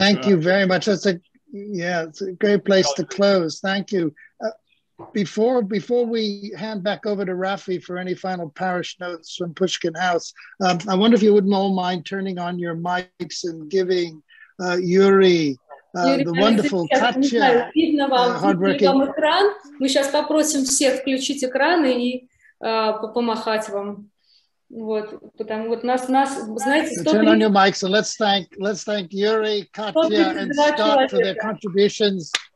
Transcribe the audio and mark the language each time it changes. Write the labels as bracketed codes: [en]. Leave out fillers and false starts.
[en] Thank you very much. It's a great place to close. Thank you. Before we hand back over to Rafi for any final parish notes from Pushkin House, I wonder if you wouldn't all mind turning on your mics and giving Yuri the wonderful Katya, hardworking. [ru] Мы сейчас попросим всех включить экраны и помахать вам. Вот, потому вот нас, знаете, [en] so turn on your mics and let's thank Yuri, Katya, and Scott for their contributions.